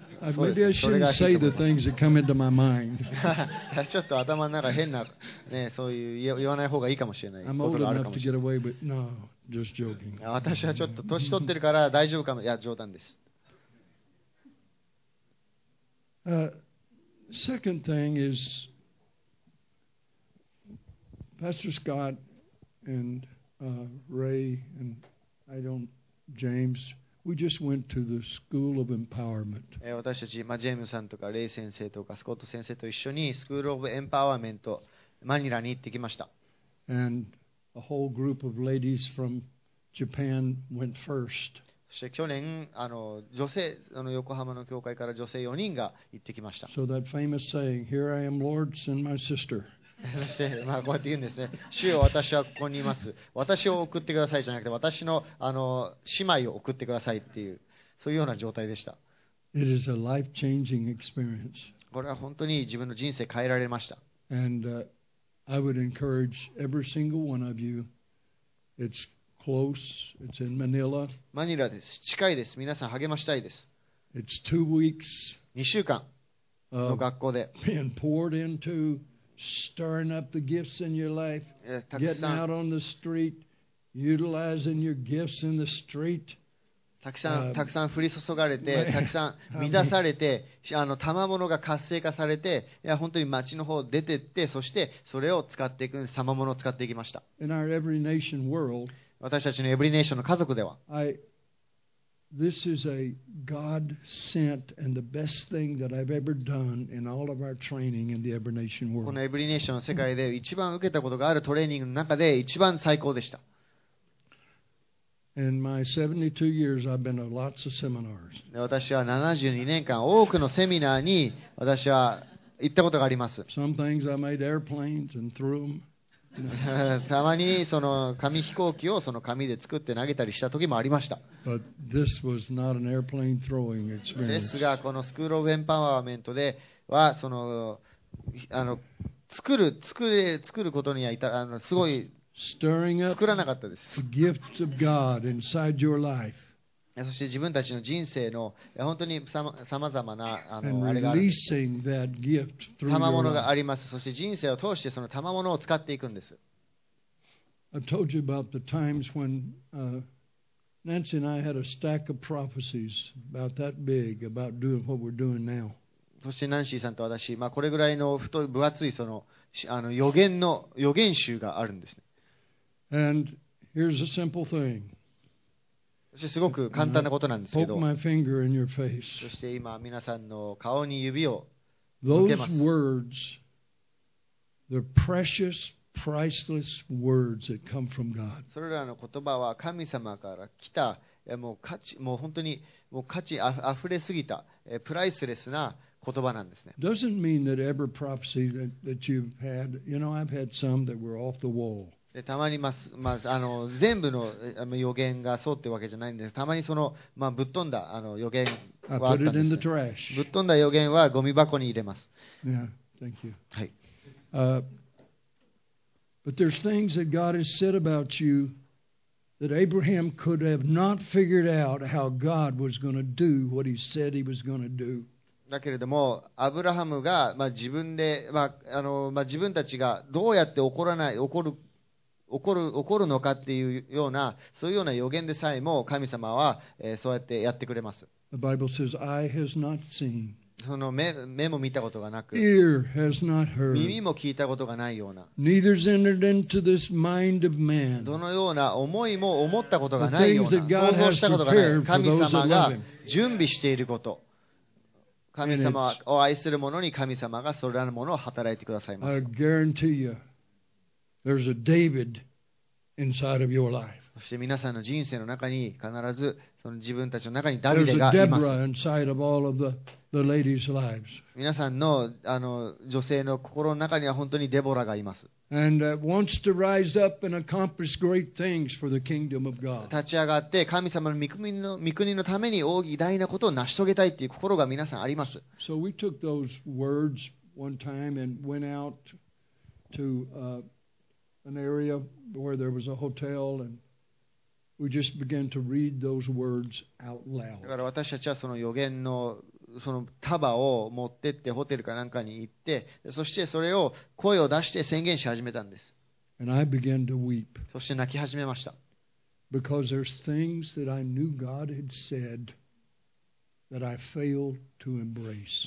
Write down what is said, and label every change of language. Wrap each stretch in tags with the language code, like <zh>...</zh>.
<en>Maybe I shouldn't say the things that come into my mind.</en> <ja>ちょっと頭の中変な、ね、そういう言わない方がいいかもしれない。</ja> <en>I'm old enough to get away, but no, just joking.</en> <ja>私はちょっと年取ってるから大丈夫かも。いや、冗談です。</ja> <en>Second thing is, Pastor Scott and Ray and I don't James, we just went to the School of Empowerment.</en> <ja>私たち、ジェームさんとかレイ先生とかスコット先生と一緒に School of Empowerment マニラに行ってきました。</ja> <en>And a whole group of ladies from Japan went first.</en> <ja>そして去年女性横浜の教会から女性4人が行ってきました。</ja> <en>So that famous saying, "Here I am, Lord, send my sister."</en> <ja>そしてこうやって言うんですね。主よ、私はここにいます。私を送ってくださいじゃなくて、私の姉妹を送ってくださいっていうそういうような状態でした。</ja> <en>It is a life-changing experience.</en> <ja>これは本当に自分の人生変えられました。</ja> <en>And I would encourage every single one of you. It'sClose. It's in Manila.</en> <ja>マニラです。近いです。皆さん励ましたいです。</ja> <en>It's 2 weeks.</en> <ja>2週間の学校で。</ja> <en>Being poured into stirring up the gifts in your life, getting out on the street, utilizing your gifts in the street.</en> <ja>たくさん、たくさん降り注がれて、たくさん満たされて、あの賜物が活性化されて、いや本当に町の方出てって、そしてそれを使っていく、賜物を使っていきました。</ja> <en>In our every nation world,</en> <ja>私たちのエブリネーションの家族では、</ja> <en>This is a God sent and the best thing that I've ever done in all of our training in the Every Nation world.</en> <ja>このエブリネーションの世界で一番受けたことがあるトレーニングの中で一番最高でした。</ja> <en>In my 72 years, I've been to lots of seminars.</en> <ja>私は72年間多くのセミナーに私は行ったことがあります。</ja> <en>Some things I made airplanes and threw them.</en> <ja>たまにその紙飛行機をその紙で作って投げたりした時もありました。</ja> <en>But this was not an airplane throwing experience.</en> <ja>ですがこのスクールオブエンパワーメントではそのあの作ることにはいたあのすごい。</ja> <en>Stirring up the gifts of God inside your life.</en> <ja>そして自分たちの人生の本当にさまざまなあのあれがある。</ja> <en>Releasing that gift through your life.</en> <ja>賜物があります。そして人生を通してその賜物を使っていくんです。</ja> <en>I've told you about the times when Nancy and I had a stack of prophecies about that big about doing what we're doing now.</en> <ja>そしてナンシーさんと私、まあこれぐらいの太い分厚いそのあの予言集があるんですね。</ja> <en>And here's a simple thing.</en> <ja>すごく簡単なことなんですけど。</ja> <en>Poke my finger in your face.</en> <ja>そして今皆さんの顔に指を向けます。</ja> <en>Those words, they're precious, priceless words that come from God.</en> <ja>それらの言葉は神様から来た、もう価値、もう本当にもう価値あふれすぎた、プライスレスな言葉なんですね。</ja> <en>Doesn't mean that every prophecy that you've had, you know, I've had some that were off the wall.</en> <ja>でたまに、あの全部の予言がそうってわけじゃないんです。たまにその、ぶっ飛んだあの予言はあったんです、ね。</ja> <en>I put it in the trash.</en> <ja>ぶっ飛んだ予言はゴミ箱に入れます。</ja> <en>Yeah, thank you.</en> <ja>はい。</ja> <en>But there's things that God has said about you that Abraham could have not figured out how God was going to do what he said he was going to do.</en> <ja>だけれどもアブラハムが、自分で、自分たちがどうやって起こるのかっていうようなそういうような予言でさえも神様は、そうやってやってくれます。</ja> <en>The Bible says, "Eye has not seen."</en> <ja>その目も見たことがなく、</ja> <en>Ear has not heard.</en> <ja>耳も聞いたことがないような、</ja> <en>Neither's entered into this mind of man.</en> <ja>どのような思いも思ったことがないような、想像したことがない。神様が準備していること。神様を愛する者に神様がそれらのものを働いてくださいます。</ja> <en>I guarantee you. There's a David inside of your life.</en> <ja>そして皆さんの人生の中に必ずその自分たちの中にダビデがいます。</ja> <en>There's a Deborah inside of all of the ladies' lives.</en> <ja>皆さんのあの女性の心の中には本当にデボラがいます。</ja> <en>And wants to rise up and accomplish great things for the kingdom of God.</en> <ja>立ち上がって神様の御国のために大偉大なことを成し遂げたいっていう心が皆さんあります。</ja> <en>So we took those words one time and went out to an area where there was a hotel and we just began to read those words out loud.</en> <ja>だから私たちはその予言のその束を持ってってホテルかなんかに行ってそしてそれを声を出して宣言し始めたんです。</ja> <en>And I began to weep.</en> <ja>そして泣き始めました。</ja> <en>Because there's things that I knew God had said that I failed to embrace.</en>